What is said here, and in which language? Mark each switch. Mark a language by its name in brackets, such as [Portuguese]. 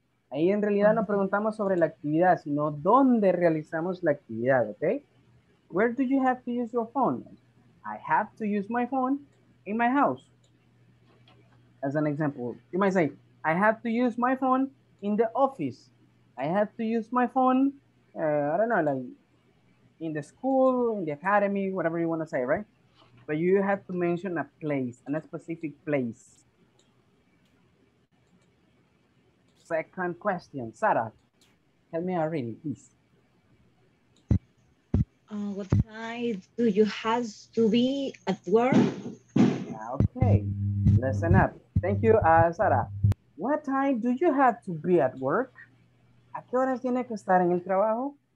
[Spanish] Ahí en realidad no preguntamos sobre la actividad, sino dónde realizamos la actividad, okay? [English] Where do you have to use your phone? I have to use my phone in my house. As an example, you might say, I have to use my phone in the office. I have to use my phone, I don't know, like in the school, in the academy, whatever you want to say, right? But you have to mention a place, and a specific place. Second question, Sarah, help me out reading, please. What time do you have to be at work? Okay, listen up. Thank you, Sara. What time do you have to be at work? [Spanish] ¿A qué horas tiene que estar en el trabajo?